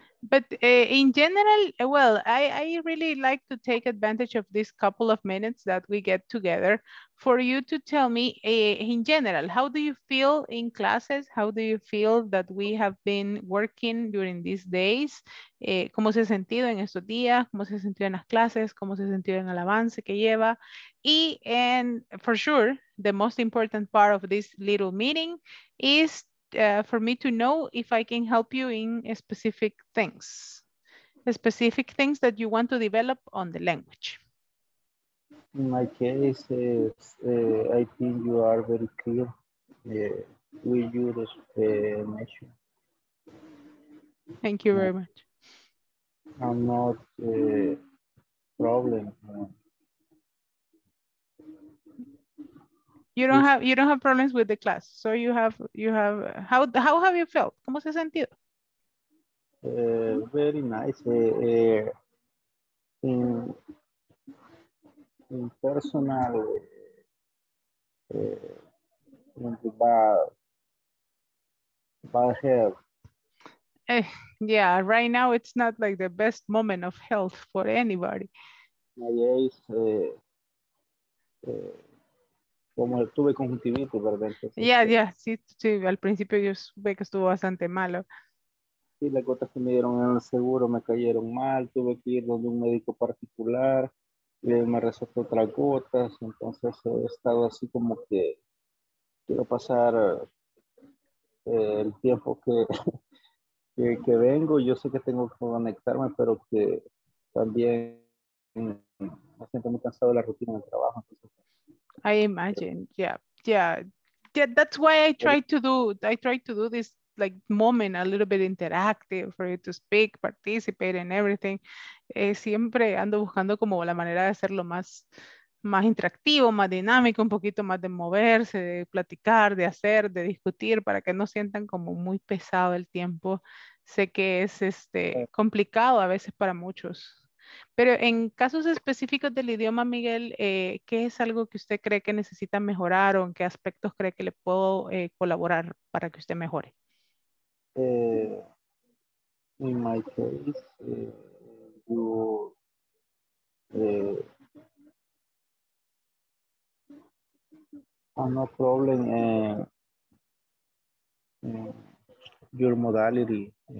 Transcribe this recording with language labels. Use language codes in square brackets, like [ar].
[en] But in general, well, I really like to take advantage of this couple of minutes that we get together for you to tell me in general, how do you feel in classes? How do you feel that we have been working during these days? [es] ¿Cómo se ha sentido en estos días? ¿Cómo se ha sentido en las clases? ¿Cómo se ha sentido en el avance que lleva? [en] And for sure, the most important part of this little meeting is for me to know if I can help you in specific things that you want to develop on the language. In my case, I think you are very clear with your explanation. Thank you very much. I'm not a problem. You don't have problems with the class, so you have how have you felt? [es] ¿Cómo se ha sentido? [en] Very nice. In personal, in the bar, bad health. Yeah, right now it's not like the best moment of health for anybody. [es] Yeah, sí, al principio yo supe que estuvo bastante malo. Sí, las gotas que me dieron en el seguro me cayeron mal, tuve que ir donde un médico particular, me recetó otras gotas, entonces he estado así como que quiero pasar el tiempo que vengo. Yo sé que tengo que conectarme, pero que también me siento muy cansado de la rutina del trabajo. [en] I imagine, yeah. That's why I try to do this like moment a little bit interactive for you to speak, participate and everything. [es] Siempre ando buscando como la manera de hacerlo más interactivo, más dinámico, un poquito más de moverse, de platicar, de hacer, de discutir, para que no sientan como muy pesado el tiempo. Sé que es complicado a veces para muchos. Pero en casos específicos del idioma, Miguel, ¿qué es algo que usted cree que necesita mejorar o en qué aspectos cree que le puedo colaborar para que usted mejore? [en] In my case, I'm no problem your modality.